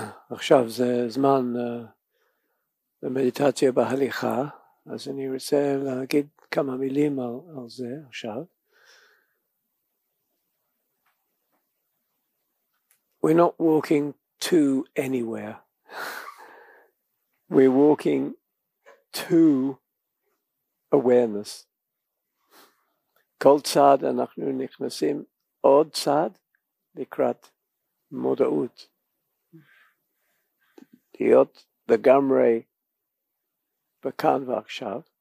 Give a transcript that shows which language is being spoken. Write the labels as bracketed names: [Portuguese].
[Hebrew] עכשיו זה זמן למדיטציה בהליכה, אז אני רוצה להגיד כמה מילים על, על זה עכשיו. [English] We're not walking to anywhere. We're walking to awareness. [Hebrew] כל צעד אנחנו נכנסים עוד צעד לקראת מודעות. להיות לגמרי בכאן ועכשיו.